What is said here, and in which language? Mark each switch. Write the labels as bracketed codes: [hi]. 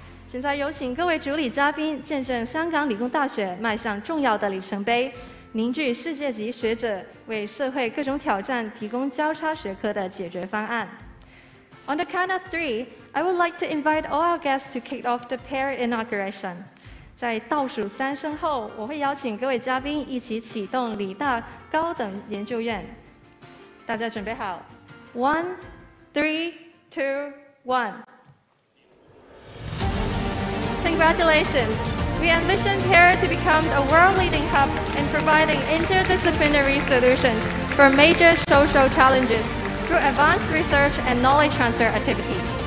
[zh] 现在有请各位主理嘉宾见证香港理工大学迈向重要的里程碑，凝聚世界级学者，为社会各种挑战提供交叉学科的解决方案。 [en] On the count of three, I would like to invite all our guests to kick off the PAIR inauguration. [zh] 在倒数三声后，我会邀请各位嘉宾一起启动理大高等研究院。大家准备好 [en] ？One, three, two, one. Congratulations! We envision PAIR to become a world-leading hub in providing interdisciplinary solutions for major social challenges through advanced research and knowledge transfer activities.